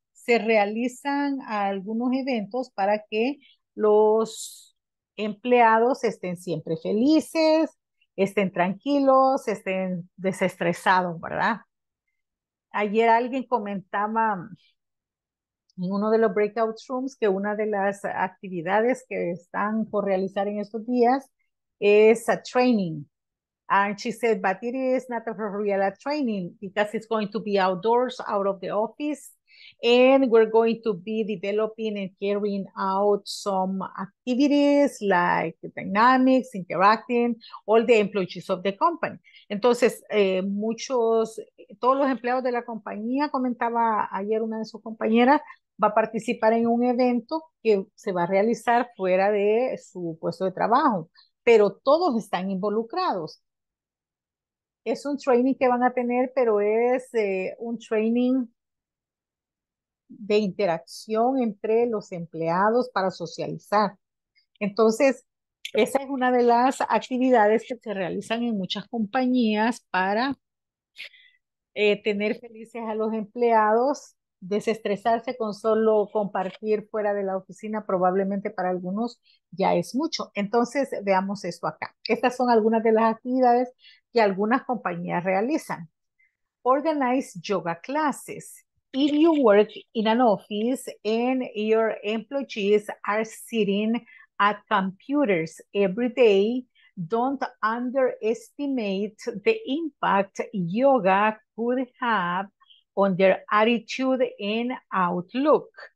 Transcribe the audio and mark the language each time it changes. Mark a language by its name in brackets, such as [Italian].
[Spanish] se realizan algunos eventos para que los empleados estén siempre felices, estén tranquilos, estén desestresados, ¿verdad? Ayer alguien comentaba en uno de los breakout rooms que una de las actividades que están por realizar en estos días es a training. [English] And she said, but it is not a real training because it's going to be outdoors, out of the office. And we're going to be developing and carrying out some activities like dynamics, interacting, all the employees of the company. [Spanish] Entonces, todos los empleados de la compañía, comentaba ayer una de sus compañeras, va a participar en un evento que se va a realizar fuera de su puesto de trabajo, pero todos están involucrados. Es un training que van a tener, pero es un training de interacción entre los empleados para socializar. Entonces, esa es una de las actividades que se realizan en muchas compañías para tener felices a los empleados, desestresarse con solo compartir fuera de la oficina, probablemente para algunos ya es mucho. Entonces, veamos esto acá. Estas son algunas de las actividades que algunas compañías realizan. [English] Organize yoga classes. If you work in an office and your employees are sitting at computers every day, don't underestimate the impact yoga could have on their attitude and outlook.